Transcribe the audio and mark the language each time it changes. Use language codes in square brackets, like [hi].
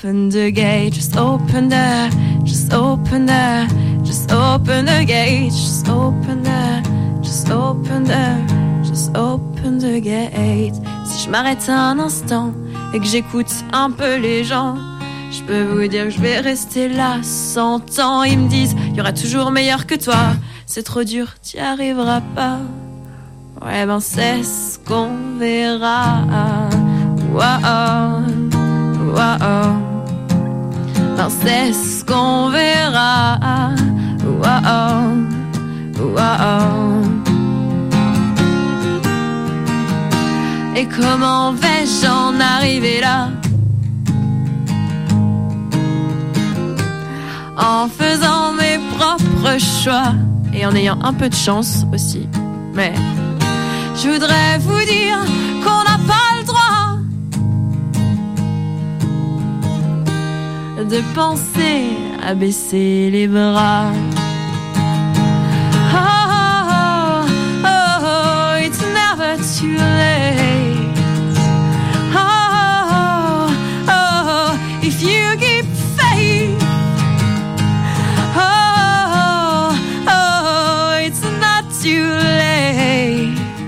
[en] The gate, just open the, just open the, just open the gate, just open the, just open the, just open the gate. [fr] Si je m'arrête un instant et que j'écoute un peu les gens, je peux vous dire que je vais rester là 100 ans. Ils me disent il y aura toujours meilleur que toi, c'est trop dur, t'y arriveras pas. Ouais ben c'est ce qu'on verra. Wow, wow. Ben c'est ce qu'on verra. Wow, wow. Et comment vais-je en arriver là? En faisant mes propres choix. Et en ayant un peu de chance aussi. Mais je voudrais vous dire qu'on n'a pas le droit de penser à baisser les bras. [en] Oh, oh, oh, oh, it's never too late. Oh, oh, oh, oh, if you keep faith. Oh, oh, oh, it's not too late.